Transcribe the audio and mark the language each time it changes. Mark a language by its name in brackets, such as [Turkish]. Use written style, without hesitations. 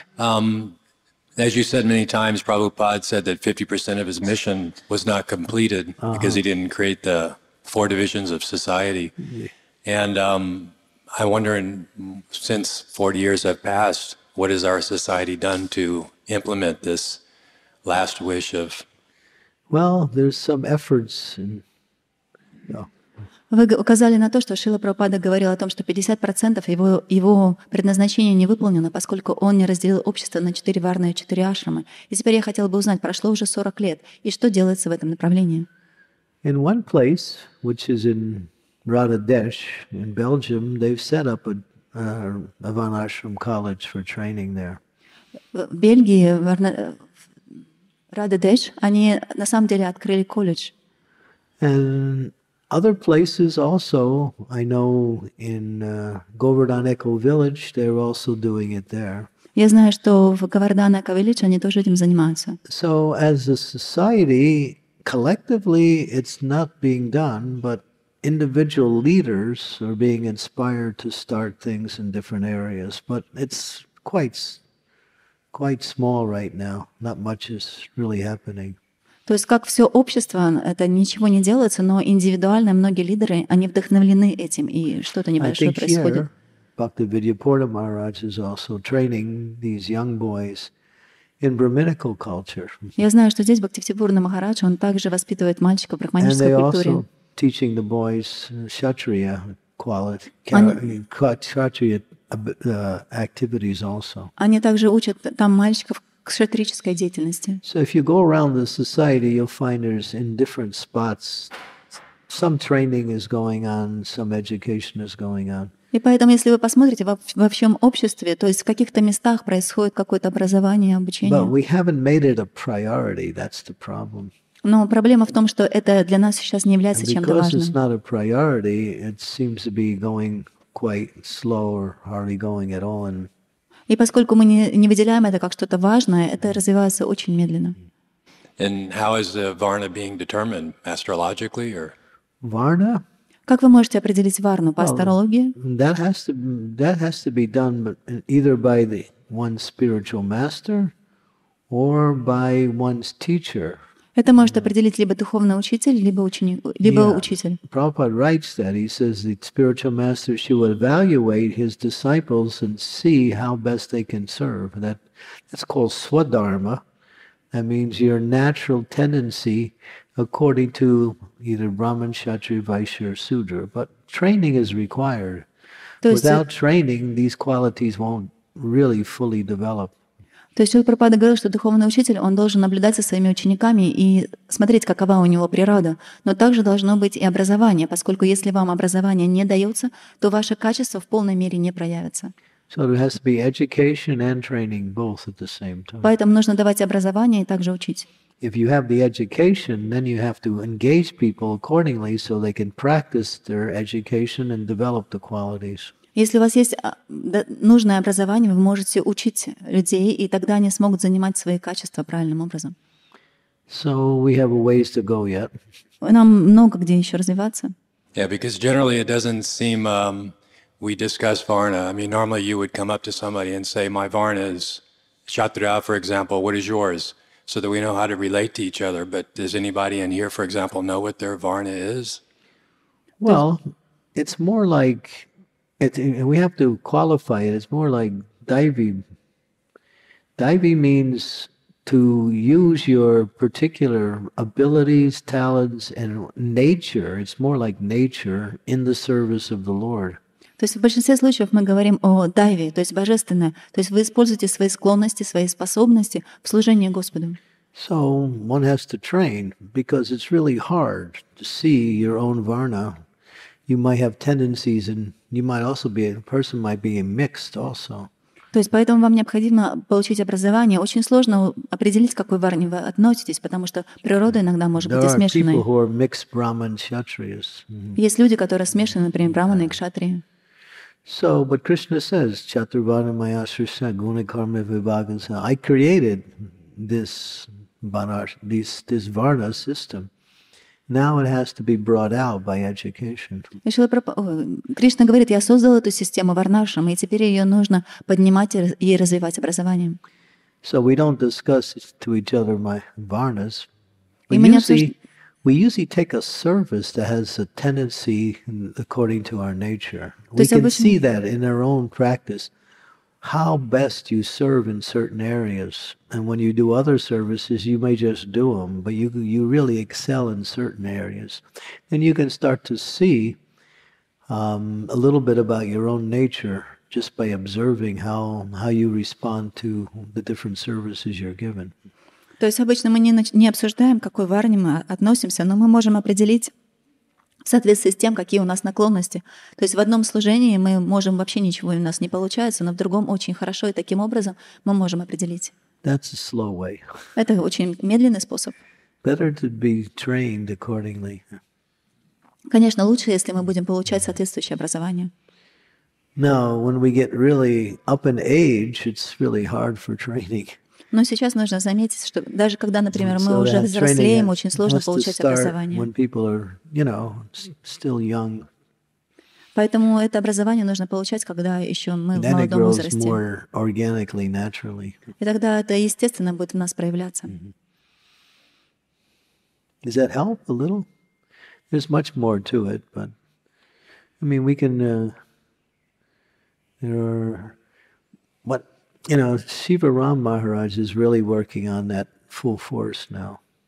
[English] As you said many times, Prabhupada said that 50% of his mission was not completed because he didn't create the four divisions of society. Yeah. And I wonder, since 40 years have passed, what has our society done to implement this last wish of? Well, there's some efforts. [Russian] Вы указали на то, что Шрила Прабхупада говорил о том, что 50% его предназначения не выполнено, поскольку он не разделил общество на 4 варны и 4 ашрамы. И теперь я хотела бы узнать, прошло уже 40 лет, и что делается в этом направлении? [English] In one place, which is in Radadesh, in Belgium, they've set up a van ashram college for training there. [Russian] Бельгии, Рададеш, они на самом деле открыли колледж. [English] And other places also, I know in Govardhan Eco Village, they're also doing it there. [Russian] Я знаю, что в Govardhan Eco Village они тоже этим занимаются. [English] So as a society, collectively, it's not being done, but individual leaders are being inspired to start things in different areas, but it's quite small right now. Not much is really happening. [Russian] То есть как все общество, это ничего не делается, но индивидуально многие лидеры, они вдохновлены этим, и что-то небольшое происходит. [English] I think here, Bhaktivedya Porta Maharaj is also training these young boys in Brahminical culture. [Russian] Я знаю, что здесь Бхактивибурна Махарадж, он также воспитывает мальчика в брахманической культуре. [English] And they're also teaching the boys kshatriya quality, activities also. [Russian] Они также учат там мальчиков кшатрической деятельности. [English] So if you go around the society, you'll find there's in different spots. Some training is going on, some education is going on. [Russian] И поэтому, если вы посмотрите во всем обществе, то есть в каких-то местах происходит какое-то образование, обучение. [English] But we haven't made it a priority, that's the problem. [Russian] Но проблема в том, что это для нас сейчас не является чем-то важным. [English] Because it's not a priority, it seems to be going quite slow or hardly going at all. [Russian] И поскольку мы не выделяем это как что-то важное, это развивается очень медленно. [English] And how is the varna being determined, astrologically or? Varna? [Russian] Как вы можете определить варну по астрологии? [English] That has to be done either by the one's spiritual master or by one's teacher. [Russian] Это может определить либо духовный учитель, либо ученик, либо учитель. [English] Prabhupada writes that he says the spiritual master should evaluate his disciples and see how best they can serve. That's called swadharma. That means your natural tendency according to either Brahman, Kshatriya, Vaishya, or Sudra. But training is required. Without training, these qualities won't really fully develop. [Russian] То есть Прабхупада говорил, что духовный учитель, он должен наблюдать за своими учениками и смотреть, какова у него природа. Но также должно быть и образование, поскольку если вам образование не дается, то ваше качество в полной мере не проявится. [English] So there has to be education and training both at the same time. [Russian] Поэтому нужно давать образование и также учить. [English] If you have the education, then you have to engage people accordingly so they can practice their education and develop the qualities. [Russian] Если у вас есть нужное образование, вы можете учить людей, и тогда они смогут занимать свои качества правильным образом. [English] So we have a ways to go yet. [Russian] Нам много где еще развиваться. [English] Yeah, because generally it doesn't seem we discuss varna. I mean, normally you would come up to somebody and say, my varna is kshatriya, for example, what is yours? So that we know how to relate to each other. But does anybody in here, for example, know what their varna is? Well, it's more like, we have to qualify it, it's more like daivi. Daivi means to use your particular abilities, talents, and nature. It's more like nature in the service of the Lord. [Russian] То есть в большинстве случаев мы говорим о дайве, то есть божественное. То есть вы используете свои склонности, свои способности в служении Господу. [English] So one has to train, because it's really hard to see your own varna. You might have tendencies, and you might also be, a person might be mixed also. [Russian] То есть поэтому вам необходимо получить образование. Очень сложно определить, к какой варне вы относитесь, потому что природа иногда может быть смешанной. [English] There are people who are mixed Brahman Kshatriyas. [Russian] Есть люди, которые смешаны, например, Брахманы и Кшатрии. [English] So, but Krishna says, [Sanskrit] Chaturvarna Maya Srishta Guna Karma Vibhagasa, [English] I created this Varna system. Now it has to be brought out by education. [Russian] Кришна говорит, я создал эту систему Варнашрам, и теперь ее нужно поднимать и развивать образованием. [English] So we don't discuss to each other my Varnas. But we usually take a service that has a tendency according to our nature. We can see that in our own practice, how best you serve in certain areas. And when you do other services, you may just do them, but you really excel in certain areas. Then you can start to see a little bit about your own nature just by observing how you respond to the different services you're given. [Russian] То есть обычно мы не обсуждаем, к какой варне мы относимся, но мы можем определить в соответствии с тем, какие у нас наклонности. То есть в одном служении мы можем вообще ничего у нас не получается, но в другом очень хорошо, и таким образом мы можем определить. [English] That's a slow way. [Russian] Это очень медленный способ. [English] Better to be trained accordingly. [Russian] Конечно, лучше, если мы будем получать соответствующее образование. [English] Now, when we get really up in age, it's really hard for training. [Russian] Но сейчас нужно заметить, что даже когда, например, мы уже взрослеем, очень сложно получать образование. Поэтому это образование нужно получать, когда еще мы в молодом возрасте. И тогда это естественно будет у нас проявляться. [English] Does that help a little? There's much more to it, but I mean, we can. There are, but You know, Shiva Ram Maharaj is really working on that full force now.